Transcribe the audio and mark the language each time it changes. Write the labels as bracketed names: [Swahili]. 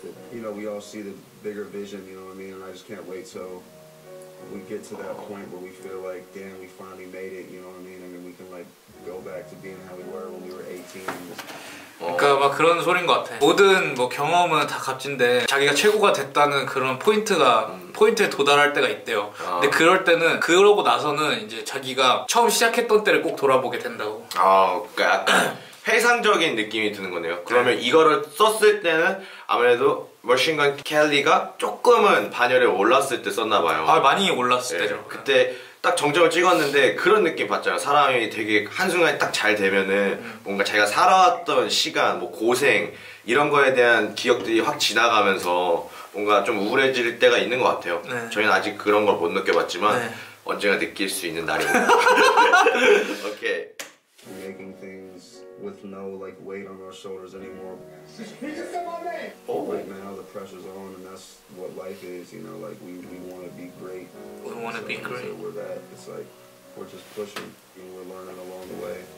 [English] You know, we all see the bigger vision, you know what I mean? And I just can't wait till we get to that point where we feel like, damn, we finally made it, you know what I mean? And then we can, like, go back to being how we were when we were 18. [Korean] 그러니까 막 그런 소린 것 같아. 모든 뭐 경험은 다 값진데 자기가 최고가 됐다는 그런 포인트가 포인트에 도달할 때가 있대요. 근데 그럴 때는 그러고 나서는 이제 자기가 처음 시작했던 때를 꼭 돌아보게 된다고. 그러니까 회상적인 느낌이 드는 거네요. 그러면 네. 이거를 썼을 때는 아무래도 머신건 켈리가 조금은 반열에 올랐을 때 썼나 봐요. 아 많이 올랐을 네. 때죠. 그때 딱 정점을 찍었는데 그런 느낌 받잖아요. 사람이 되게 한순간에 딱 잘 되면은 뭔가 자기가 살아왔던 시간, 뭐 고생 이런 거에 대한 기억들이 확 지나가면서 뭔가 좀 우울해질 때가 있는 것 같아요. 네. 저희는 아직 그런 걸 못 느껴봤지만 네. 언젠가 느낄 수 있는 날이 오케이. [English] Making things with no like weight on our shoulders anymore. Right now the pressure's on, and that's what life is. You know, like we want to be great. We want to be great. We're that. It's like we're just pushing, and we're learning along the way.